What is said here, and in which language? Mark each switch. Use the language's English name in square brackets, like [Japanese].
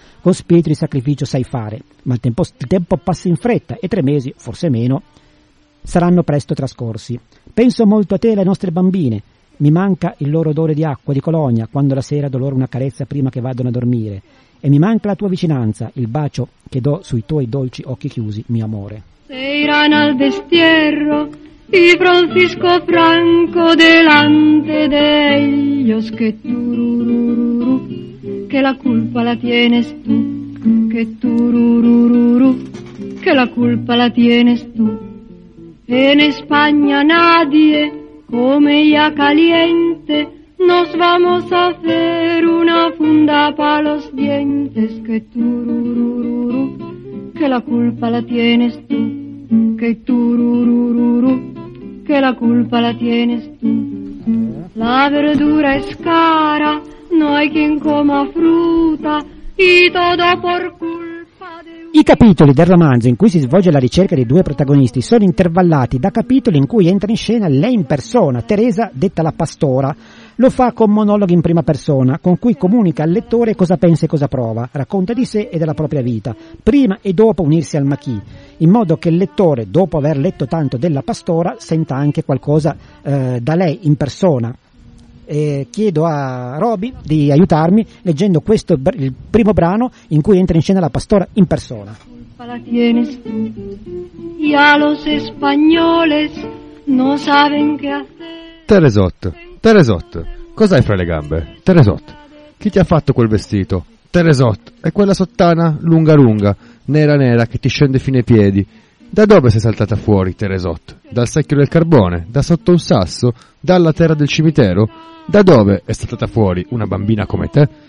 [Italian] Con spirito di sacrificio sai fare, ma il tempo passa in fretta e 3 mesi, forse meno, saranno presto trascorsi. Penso molto a te e alle nostre bambine. Mi manca il loro odore di acqua, di colonia, quando la sera do loro una carezza prima che vadano a dormire. E mi manca la tua vicinanza, il bacio che do sui tuoi dolci occhi chiusi, mio amore. [Spanish] Sei rana al destierro, y Francisco Franco delante de ellos, que turururu, que la culpa la tienes tú, que turururu, que la culpa la tienes tú. En España nadie come ya caliente, nos vamos a hacer una funda para los dientes, que turururu, que la culpa la tienes tú, que turururu, que la culpa la tienes tú. La verdura es cara, no hay quien coma fruta, y todo por culpa de... [Italian] I capitoli del romanzo in cui si svolge la ricerca dei due protagonisti sono intervallati da capitoli in cui entra in scena lei in persona, Teresa, detta la pastora. Lo fa con monologhi in prima persona, con cui comunica al lettore cosa pensa e cosa prova, racconta di sé e della propria vita, prima e dopo unirsi al Maquis, in modo che il lettore, dopo aver letto tanto della pastora, senta anche qualcosa da lei in persona. E chiedo a Roby di aiutarmi leggendo questo il primo brano in cui entra in scena la pastora in persona. [Spanish] La tienes tu, y a los españoles no saben qué hacer. [Italian] Teresotto. Teresotto, cos'hai fra le gambe? Teresotto, chi ti ha fatto quel vestito? Teresotto, e quella sottana lunga lunga, nera nera, che ti scende fino ai piedi. Da dove sei saltata fuori, Teresotto? Dal secchio del carbone? Da sotto un sasso? Dalla terra del cimitero? Da dove è saltata fuori una bambina come te?